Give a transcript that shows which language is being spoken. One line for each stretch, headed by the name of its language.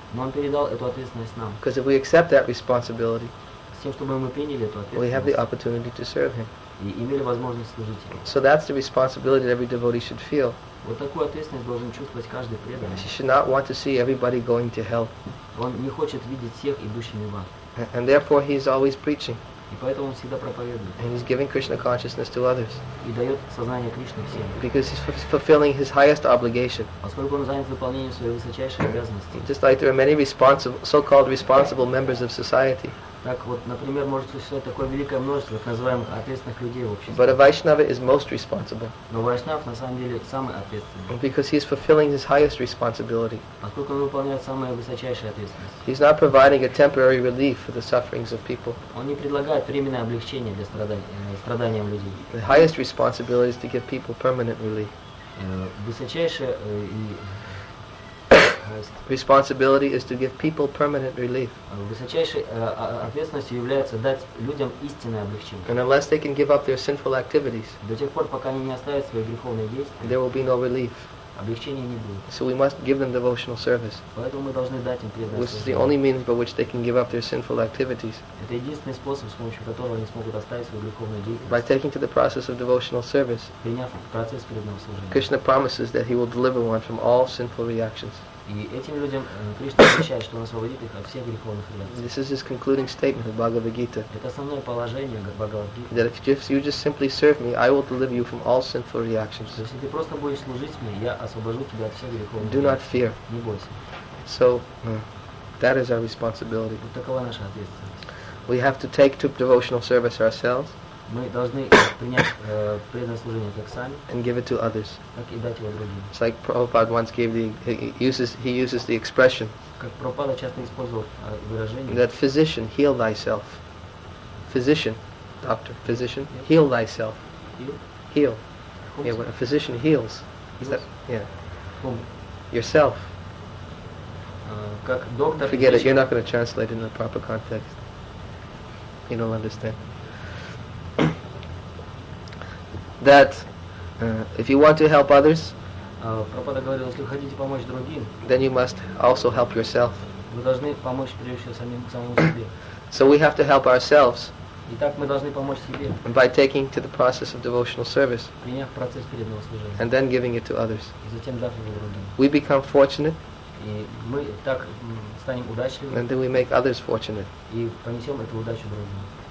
Russian: Но он передал эту ответственность нам.
English: Because if we accept that responsibility,
Russian: с тем, чтобы мы приняли эту ответственность,
English: we have the opportunity to serve him.
Russian: И имели возможность служить ему.
English: So that's the responsibility that every devotee should feel.
Russian: Вот такую ответственность должен чувствовать каждый преданный.
English: He should not want to see everybody going to hell.
Russian: Он не хочет видеть всех идущими в ад.
English: And therefore he is always preaching.
Russian: И поэтому он всегда проповедует.
English: And he's giving Krishna consciousness to others.
Russian: И дает сознание Кришне всем.
English: Because he's fulfilling his highest obligation.
Russian: Поскольку он занят выполнением своей высочайшей обязанности.
English: Just like there are many so-called responsible members of society.
Russian: Так вот, например, может существовать такое великое множество так называемых ответственных людей в обществе.
English: But a Vaishnava is most responsible.
Russian: Но Вайшнав на самом деле самый ответственный.
English: Because he is fulfilling his highest responsibility.
Russian: Поскольку он выполняет самую высочайшую ответственность.
English: He's not providing a temporary relief for the sufferings of people.
Russian: Он не предлагает временное облегчение для страданиям людей.
English: The highest responsibility is to give people permanent relief.
Russian: Высочайшая и
English: responsibility is to give people permanent relief.
Russian: Высочайшей ответственностью является дать людям истинное облегчение.
English: And unless they can give up their sinful activities,
Russian: до тех пор, пока они не оставят свои греховные действия,
English: there will be no relief.
Russian: Облегчения не будет.
English: So we must give them devotional service.
Russian: Поэтому мы должны дать им преданное служение.
English: Which is the only means by which they can give up their sinful activities.
Russian: Это единственный способ, с помощью которого они смогут оставить свои греховные действия.
English: By taking to the process of devotional service,
Russian: приняв процесс преданного служения,
English: Krishna promises that he will deliver one from all sinful reactions.
Russian: И этим людям Кришна обещает, что он освободит их от всех греховных реакций.
English: This is his concluding statement of Bhagavad Gita.
Russian: Это основное положение Бхагавад Гиты.
English: That if you just simply serve me, I will deliver you from all sinful reactions.
Russian: Если ты просто будешь служить мне, я освобожу тебя от всех греховных реакций.
English: Do not fear.
Russian: Не бойся.
English: So, that is our responsibility.
Russian: Вот такова наша ответственность.
English: We have to take to devotional service ourselves.
Russian: Мы должны принять преданное служение как сами,
English: and give it to others.
Russian: Так и дать его другим.
English: It's like Prabhupada once gave he uses the expression.
Russian: Как Прабхупада часто использовал выражение.
English: That physician, heal thyself. Physician, doctor, physician, heal thyself. Heal. Yeah, when a physician heals. Is that, yeah. Whom? Yourself.
Russian: Как доктор.
English: Forget physician. It. You're not going to translate it in the proper context. You don't understand. That if you want to help others,
Russian: Prabhupada говорил, если вы хотите помочь другим,
English: then you must also help yourself.
Russian: Вы должны помочь прежде всего самому себе.
English: So we have to help ourselves.
Russian: Итак, мы должны помочь себе.
English: By taking to the process of devotional service.
Russian: Приняв процесс преданного служения.
English: And then giving it to others.
Russian: И затем дав его другим.
English: We become fortunate.
Russian: И мы так станем удачливыми.
English: And then we make others fortunate.
Russian: И понесем эту удачу другим.